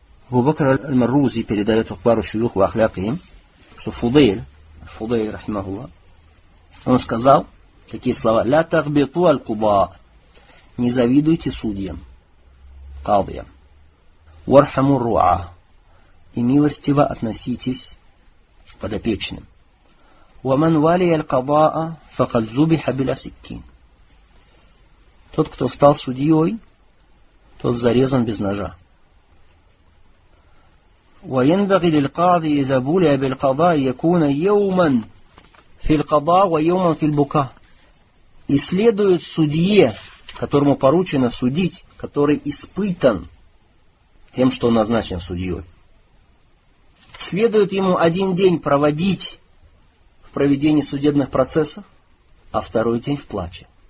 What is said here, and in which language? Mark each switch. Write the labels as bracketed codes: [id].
[ru] Абу-Бакр аль-Маррузи передает в Ахбару Шуюх ва Ахляким, что Фудейль, рахимахулла, он сказал такие слова, [ar] «Ля тагбиту аль-куба, [ru] не завидуйте судьям, кадьям, [ar] вархаму руа, [ru] и милостиво относитесь к подопечным. [ar] Ва ман вали аль-кадаа, факад зубиха биля сиккин». [ru] Тот, кто стал судьей, тот зарезан без ножа. [ar] وينبغي للقاضي إذا بولي بالقضاء يكون يوما في القضاء ويوما في البكاء. [ru] И следует судье, которому поручено судить, который испытан тем, что он назначен судьей. Следует ему один день проводить в проведении судебных процессов, а второй день в плаче.